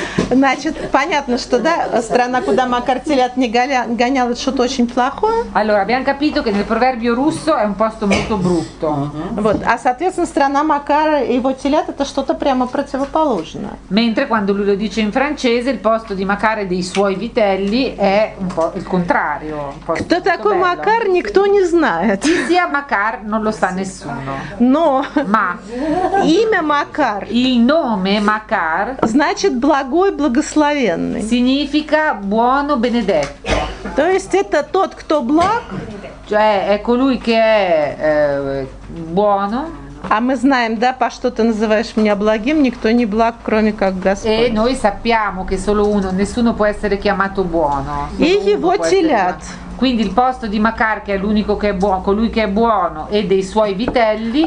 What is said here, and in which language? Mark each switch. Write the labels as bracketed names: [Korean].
[Russian] Значит, понятно, что да, страна, куда Макар телят не гонял, это что-то очень плохое. [Italian] Allora, abbiamo capito che nel proverbio russo è un posto molto brutto. [Russian] Вот, а соответственно, страна Макара и его телят это что-то прямо противоположное. [Italian] Mentre quando lui lo dice in francese, il posto di Макар e dei suoi vitelli è un po' il contrario. [Russian] Кто такой Макар, никто не знает. [Italian] Chi sia Макар, non lo sa nessuno. [Russian] Но. [Italian] Ma. [Russian] Имя Макар. [Italian] Il nome Макар. [Russian] Значит, благо. Благословенный. [Italian] Significa buono benedetto. [Russian] То есть это тот, кто благ. [Italian] Cioè, è colui che è buono. [Russian] А мы знаем, да, по что ты называешь меня благим, никто не благ, кроме как Господь. [Italian] E noi sappiamo che solo uno, nessuno può essere chiamato buono. [Russian] И его телят. [Italian] Quindi il posto di Макар, che è l'unico che è buono, colui che è buono, e dei suoi vitelli.